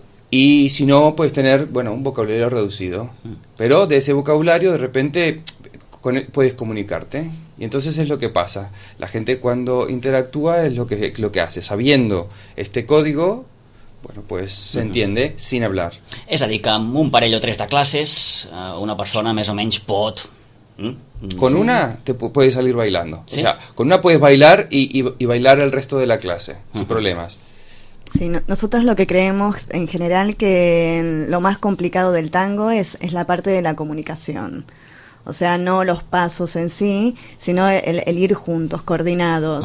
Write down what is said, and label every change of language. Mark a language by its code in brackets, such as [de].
[es] Y si no, puedes tener, bueno, un vocabulario reducido. Pero de ese vocabulario, de repente, puedes comunicarte. Y entonces es lo que pasa. La gente cuando interactúa es lo que hace. Sabiendo este código, bueno, pues s'entiende sin hablar. [ca] És a dir, que amb un parell o tres de classes, una persona més o menys pot... [es] Con una te puedes salir bailando. ¿Sí? O sea, con una puedes bailar y bailar el resto de la clase, sin problemas. Sí, no, nosotros lo que creemos en general que lo más complicado del tango es la parte de la comunicación. O sea, no los pasos en sí, sino el ir juntos, coordinados.